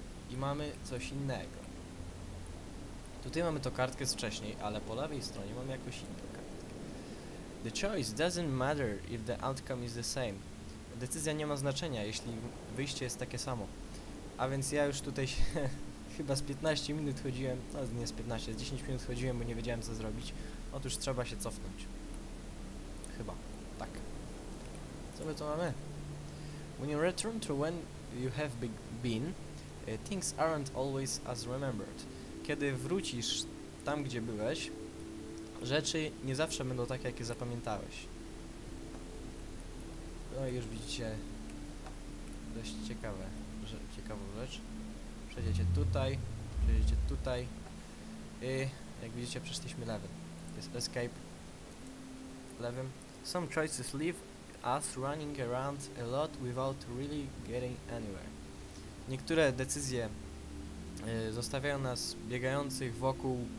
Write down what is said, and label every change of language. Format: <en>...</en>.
<pl>I mamy coś innego. Tutaj mamy tą kartkę z wcześniej, ale po lewej stronie mamy jakąś inną kartkę.</pl> <en>The choice doesn't matter if the outcome is the same.</en> <pl>Decyzja nie ma znaczenia, jeśli wyjście jest takie samo. A więc ja już tutaj się, chyba z 15 minut chodziłem, no nie z 15, z 10 minut chodziłem, bo nie wiedziałem co zrobić. Otóż trzeba się cofnąć. Chyba, tak. Co my tu mamy?</pl> <en>When you return to when you have been, things aren't always as remembered.</en> <pl>Kiedy wrócisz tam, gdzie byłeś, rzeczy nie zawsze będą takie, jakie zapamiętałeś. No i już widzicie dość ciekawą rzecz. Przejdziecie tutaj. I jak widzicie, przeszliśmy lewym. Jest escape. Lewym.</pl> <en>Some choices leave us running around a lot without really getting anywhere.</en> <pl>Niektóre decyzje zostawiają nas biegających wokół...</pl>